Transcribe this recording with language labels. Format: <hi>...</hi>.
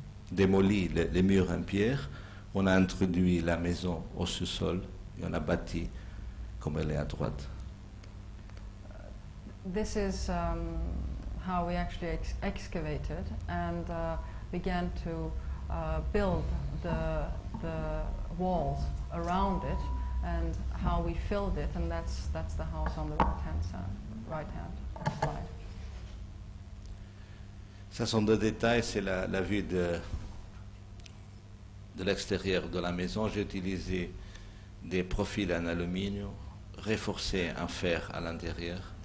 <fr>démoli les murs en pierre, on a introduit la maison au sous-sol et on a bâti comme elle est à droite.</fr> <en>This is how we actually excavated and began to build the walls around it and how we filled it, and that's the house on the right hand slide.</en> <fr>Ça sont deux détails, c'est la vue de l'extérieur de la maison. J'ai utilisé des profils en aluminium renforcés en fer à l'intérieur.</fr>